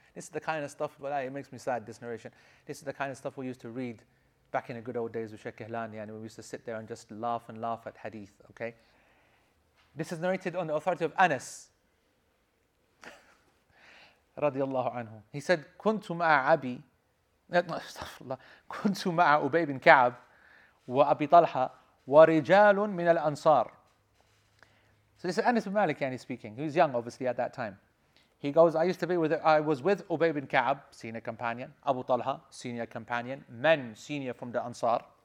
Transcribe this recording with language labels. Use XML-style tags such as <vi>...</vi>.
<en>This is the kind of stuff, it makes me sad, this narration. This is the kind of stuff we used to read back in the good old days with Sheikh Kehlani, and we used to sit there and just laugh and laugh at hadith, okay? This is narrated on the authority of Anas, radiallahu anhu.</en> <ar>He said, كنت مع عبي, كنت مع أبي بن كعب وأبي طلحة ورجال من الأنصار.</ar> <en>So this is Anas ibn Malik, yani, speaking. He was young, obviously, at that time. He goes, I was with Ubay bin Ka'ab, senior companion, Abu Talha, senior companion, men senior from the Ansar.</en>